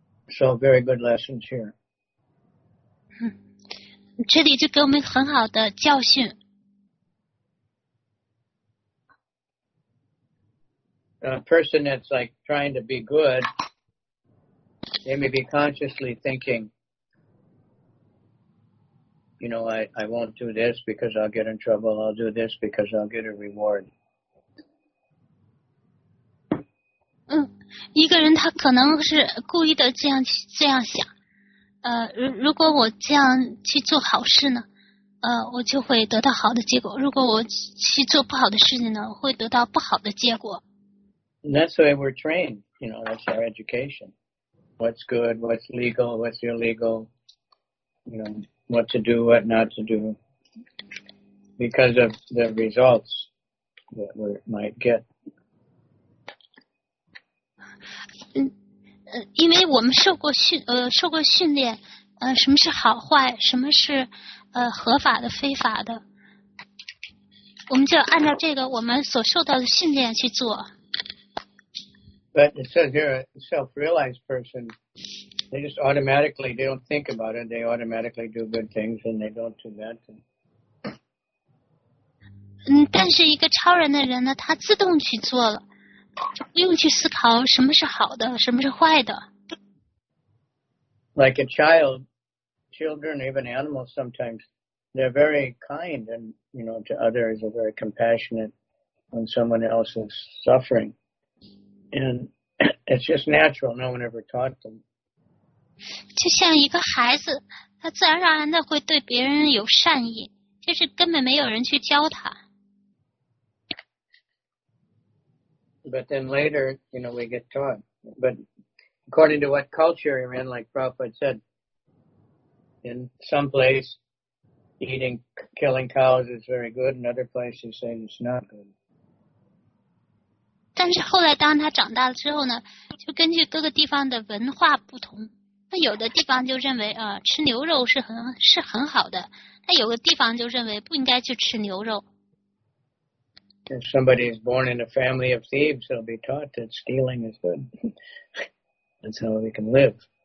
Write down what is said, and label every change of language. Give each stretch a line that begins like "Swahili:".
English: So very good lessons here.
Chinese: 这里就给我们很好的教训。
English: A person that's like trying to be good, they may be consciously thinking, you know, I won't do this because I'll get in trouble. I'll do this because I'll get a reward.
Chinese: 一个人他可能是故意的这样想，如果我这样去做好事呢，我就会得到好的结果；如果我去做不好的事情呢，会得到不好的结果。
English: And that's the way we're trained, you know, that's our education. What's good, what's legal, what's illegal, you know, what to do, what not to do, because of the results that we might get.
Chinese: 因为我们受过训练，什么是好坏，什么是合法的、非法的，我们就按照这个我们所受到的训练去做。
English: But it says here, a self-realized person, they just automatically, they don't think about it, they automatically do good things and they don't do bad things.
Chinese: 但是一个超人的人呢，他自动去做了，就不用去思考什么是好的，什么是坏的。
English: Like a child, children, even animals sometimes, they're very kind and, you know, to others are very compassionate when someone else is suffering. And it's just natural. No one ever taught them.
Chinese: 就像一个孩子，他自然而然的会对别人有善意，就是根本没有人去教他。
English: But then later, you know, we get taught. But according to what culture you're in, like Prabhupada said, in some place, eating, killing cows is very good. In other places, they say it's not good.
Chinese: 但是后来当他长大了之后呢，就根据各个地方的文化不同，那有的地方就认为吃牛肉是很好的，那有的地方就认为不应该去吃牛肉。
English: If somebody is born in a family of thieves, they'll be taught that stealing is good. That's how we can live.